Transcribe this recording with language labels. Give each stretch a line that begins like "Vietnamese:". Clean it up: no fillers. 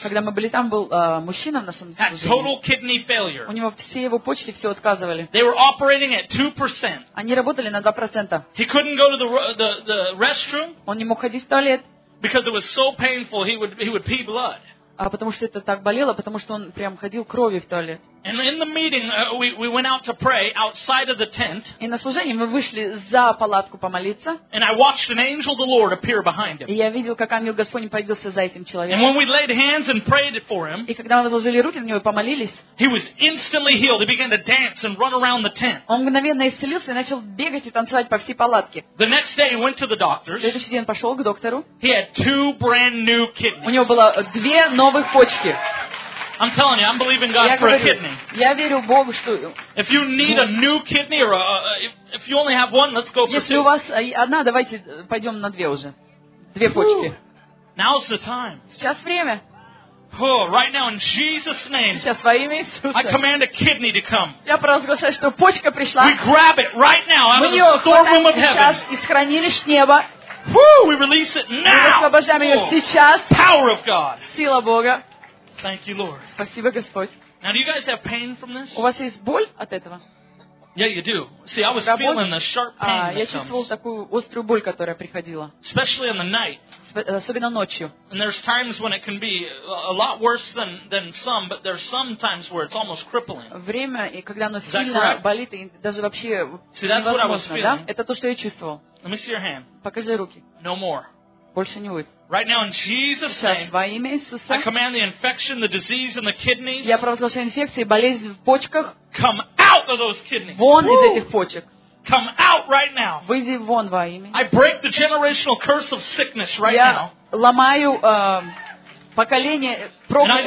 Russian: Когда мы были там, был мужчина в нашем
English: служении. Had total kidney failure.
Russian: У него все его почки все отказывали.
English: They were operating at 2%.
Russian: Они работали на 2%.
English: He couldn't go to the restroom.
Russian: Он не мог ходить в туалет.
English: Because it was so painful, he would pee blood.
Russian: А потому что это так болело, потому что он прям ходил кровью в туалет.
English: And in the meeting, we went out to pray outside of the tent.
Russian: И на служении мы вышли за палатку помолиться.
English: And I watched an angel of the Lord appear behind him.
Russian: И я видел, как ангел Господень появился за этим человеком.
English: And when we laid hands and prayed for him,
Russian: и когда мы возложили руки на него и помолились,
English: he was instantly healed. He began to dance and run around the tent.
Russian: Он мгновенно исцелился и начал бегать и танцевать по всей палатке.
English: The next day, he went to the doctors.
Russian: В следующий день пошел к доктору.
English: He had two brand new kidneys.
Russian: У него было две новых почки.
English: I'm telling you, I'm believing God
Russian: я
English: for
Russian: говорю,
English: a kidney.
Russian: Я верю Богу, что.
English: If you need a new kidney or if you only have one, let's go for
Russian: Если
English: two.
Russian: У вас одна, давайте пойдем на две уже, две почки.
English: Now's the time.
Russian: Сейчас время.
English: Oh, right now in Jesus' name.
Russian: Сейчас во имя Иисуса.
English: I command a kidney to come.
Russian: Я провозглашаю, что почка пришла.
English: We grab it right now out of the storeroom of heaven.
Russian: Мы ее сейчас из хранилищ неба.
English: We release it now.
Russian: Мы освобождаем ее сейчас.
English: Power of God.
Russian: Сила Бога.
English: Thank you, Lord.
Russian: Спасибо, Господь.
English: Now, do you guys have pain from this?
Russian: У вас есть боль от этого?
English: Yeah, you do. See, I was feeling the sharp pain.
Russian: Я чувствовал такую острую боль, которая приходила.
English: Especially in the night.
Russian: Особенно ночью.
English: And there's times when it can be a lot worse than some, but there's some times where it's almost crippling.
Russian: Время и когда оно сильно болит и даже вообще
English: See, that's what I was feeling.
Russian: Да? Это то, что я чувствовал.
English: Let me see your hand.
Russian: Покажи руки.
English: No more.
Russian: Больше не будет.
English: Right now in Jesus' name,
Russian: Сейчас, во имя Иисуса,
English: I command the infection, the disease in the kidneys.
Russian: Я провозглашаю инфекции, болезнь в почках.
English: Come out of those kidneys.
Russian: Вон из этих почек.
English: Come out right now.
Russian: Выйди вон во имя.
English: I break the generational curse of sickness right
Russian: Я
English: now.
Russian: Я ломаю поколение проклятие.